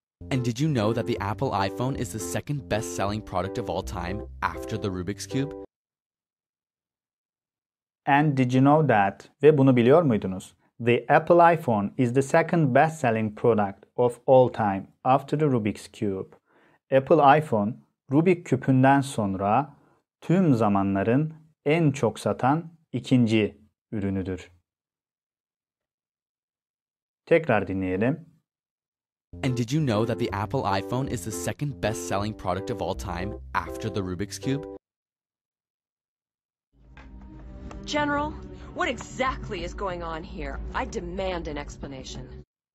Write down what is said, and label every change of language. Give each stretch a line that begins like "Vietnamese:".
English: And did you know that the Apple iPhone is the second best-selling product of all time after the Rubik's Cube? And did you know that?
Turkish: Ve bunu biliyor muydunuz?
English: The Apple iPhone is the second best-selling product of all time after the Rubik's Cube.
Turkish: Apple iPhone, Rubik küpünden sonra tüm zamanların en çok satan ikinci ürünüdür. Tekrar dinleyelim.
English: And did you know that the Apple iPhone is the second best-selling product of all time after the Rubik's Cube? General, what exactly is going on here? I demand an explanation.